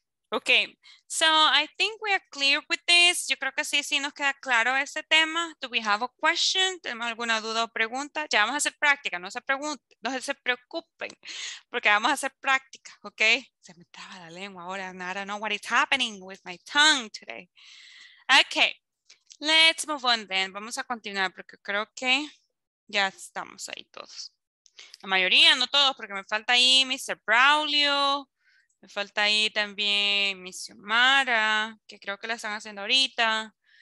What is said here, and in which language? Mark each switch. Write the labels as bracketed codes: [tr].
[en] Okay, so I think we are clear with this. [es] Yo creo que sí, sí nos queda claro ese tema. [en] Do we have a question? [es] ¿Tenemos alguna duda o pregunta? Ya vamos a hacer práctica, no se pregunten, no se preocupen, porque vamos a hacer práctica, okay? Se me traba la lengua ahora, [en] and I don't know what is happening with my tongue today. Okay, let's move on then. [es] Vamos a continuar porque creo que ya estamos ahí todos. La mayoría, no todos, porque me falta ahí Mr. Braulio. Me falta ahí también mi Xiomara, que creo que la están haciendo ahorita.